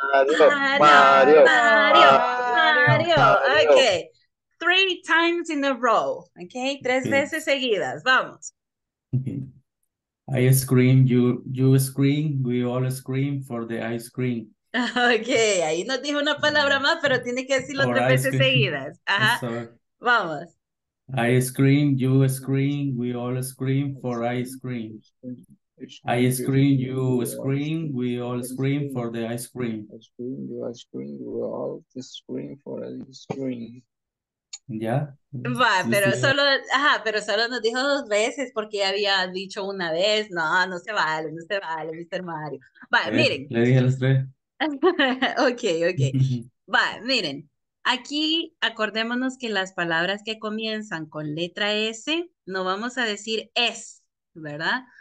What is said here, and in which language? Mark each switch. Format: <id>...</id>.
<en>Mario. Mario. Mario. Mario. Mario. Mario. Okay. Three times in a row. Okay. Tres veces seguidas. Vamos. Okay. I scream, you scream, we all scream for the ice cream. Okay.</en> <es>Ahí nos dijo una palabra más, pero tiene que decirlo for tres veces cream. Seguidas. Ajá. Vamos.</es> <en>I scream, you scream, we all scream for ice cream. I scream, you scream, we all scream for the ice cream. I scream, you scream, we all scream for ice cream.</en> <es>Ya. Va, pero solo, ajá, pero solo nos dijo dos veces porque ya había dicho una vez. No, no se vale, no se vale, Mr. Mario. Va, miren. Le dije a los tres. Okay, okay. Va, miren. Aquí acordémonos que las palabras que comienzan con letra S no vamos a decir es, ¿verdad?</es>